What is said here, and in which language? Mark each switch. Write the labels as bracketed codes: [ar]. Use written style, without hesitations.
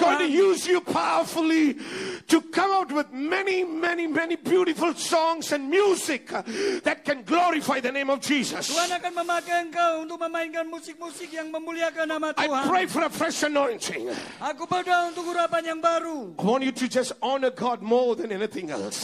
[en] Going to use you powerfully to come out with many, many, many beautiful songs and music that can glorify the name of Jesus. [id] Tuhan akan memakai engkau untuk memainkan musik-musik yang memuliakan nama Tuhan. [en] I pray for a fresh anointing. [id] Aku berdoa untuk urapan yang baru. [en] I want you to just honor God more than anything else.